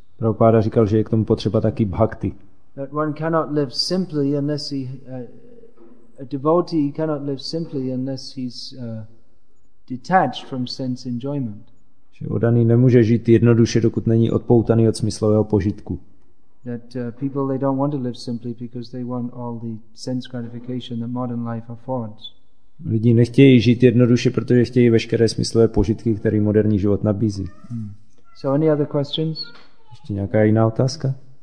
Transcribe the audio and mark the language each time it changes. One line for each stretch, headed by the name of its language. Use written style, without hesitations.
Czech: Prabhupada říkal, že je k tomu potřeba taky bhakti.
English: That one cannot live simply unless he a devotee cannot live simply unless he's detached from sense enjoyment.
Czech: Že oddaný nemůže žít jednoduše, dokud není odpoutaný od smyslového požitku.
English: That people they don't want to live simply because they want all the sense gratification that modern life affords.
Czech: Lidi nechtějí žít jednoduše, protože chtějí veškeré smyslové požitky, které moderní život nabízí.
English: So any other questions?
Czech: Ještě nějaká jiná otázka?